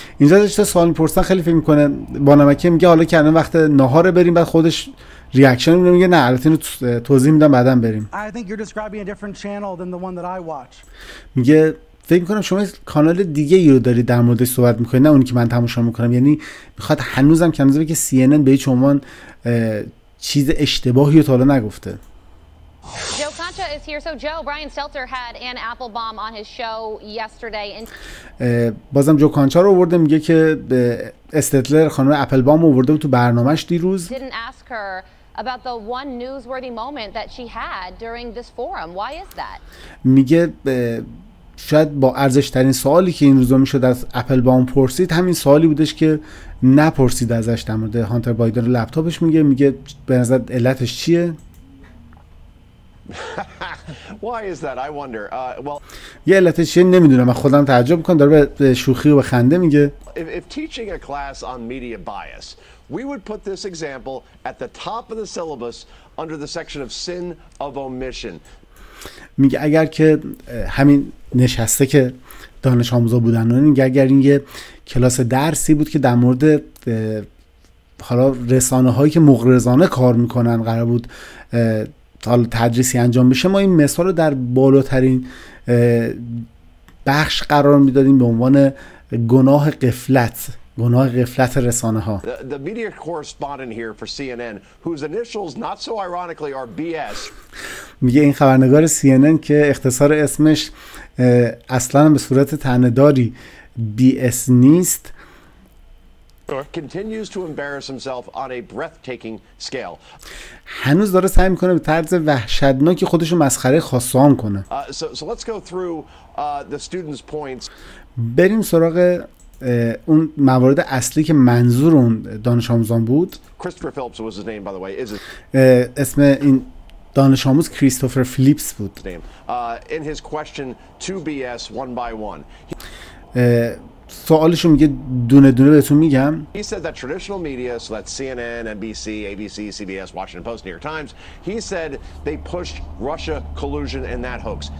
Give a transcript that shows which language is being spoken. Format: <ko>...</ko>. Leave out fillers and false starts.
<fa>اینجا داشته سوال میپرسن، خیلی فکر میکنه با نمکه، میگه حالا که الان وقت ناهار بریم، بعد خودش ریاکشن رو میگه نه البته اینو توضیح میدم بعدا بریم. میگه فکر میکنم شما کانال دیگه ای رو دارید در موردش صحبت میکنید، نه اونی که من تماشا میکنم. یعنی میخواد هنوزم که هنوزه که CNN به هیچ عنوان چیز اشتباهی رو تا حالا نگفته.</fa> <en>Joe Concha is here. So Joe, Brian Stelter had an Applebaum on his show yesterday.</en> <fa>بازم جو کانچا رو آورده، میگه که استتلر خانم اپلبام آورده تو برنامهش دیروز.</fa> <en>Didn't ask her about the one newsworthy moment that she had during this forum. Why is that?</en> <fa>میگه شاید با ارزشترین سوالی که این روزا میشد از اپلبام پرسید همین سوالی بودش که نپرسید ازش در مورد هانتر بایدن و لپتاپش. میگه به نظر علتش چیه؟</fa> <en>Why is that? I wonder. Well,</en> <fa>یه علتش چیه نمیدونم، من خودم تعجب میکنم، داره به شوخی و به خنده میگه.</fa> <en>If teaching a class on media bias, we would put this example at the top of the syllabus under the section of sin of omission.</en> <fa>میگه اگر که همین نشسته که دانش آموزا بودن، اگر این یه کلاس درسی بود که در مورد حالا رسانه هایی که مغرضانه کار میکنن قرار بود حالا تدریسی انجام بشه، ما این مثال رو در بالاترین بخش قرار میدادیم به عنوان گناه غفلت، گناه غفلت رسانه ها.</fa> <en>The media correspondent here for CNN whose initials not so ironically are BS.</en> <fa>میگه این خبرنگار CNN که اختصار اسمش اصلا به صورت طعنه‌داری BS نیست.</fa> <en>Continues to embarrass himself on a breathtaking scale.</en> <fa>هنوز داره سعی میکنه به طرز وحشتناکی خودشو مسخره خاصان کنه.</fa> <en>So let's go through the students' points. بریم سراغ اون موارد اصلی که منظور اون دانش آموزان بود. Christopher Phillips was his name, by the way. Is it?</en> <fa>اسم این دانش آموز کریستوفر فلیپس بود.</fa> <en>In his question to BS one by one.</en> <fa>سوالشو میگه دونه دونه بهتون میگم.</fa> <en>He said that traditional media, so that CNN, NBC, ABC, CBS, Washington Post, New York Times, he said they pushed Russia collusion in that hoax.</en>